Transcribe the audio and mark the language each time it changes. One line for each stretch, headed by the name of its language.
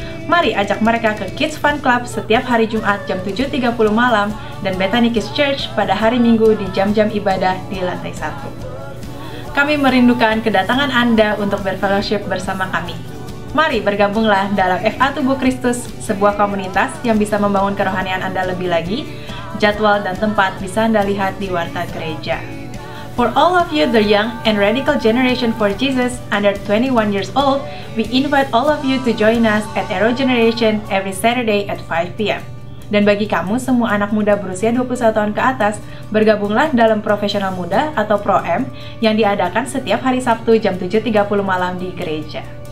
Indonesian: Mari ajak mereka ke Kids Fun Club setiap hari Jumat jam 7.30 malam dan Bethany Kids Church pada hari Minggu di jam-jam ibadah di lantai 1. Kami merindukan kedatangan Anda untuk berfellowship bersama kami. Mari bergabunglah dalam FA Tubuh Kristus, sebuah komunitas yang bisa membangun kerohanian Anda lebih lagi. Jadwal dan tempat bisa Anda lihat di warta gereja.
English: For all of you, the young and radical generation for Jesus under 21 years old, we invite all of you to join us at Arrow Generation every Saturday at 5 p.m.
Indonesian: Dan bagi kamu semua anak muda berusia 21 tahun ke atas, bergabunglah dalam profesional muda atau Pro-M yang diadakan setiap hari Sabtu jam 7.30 malam di gereja.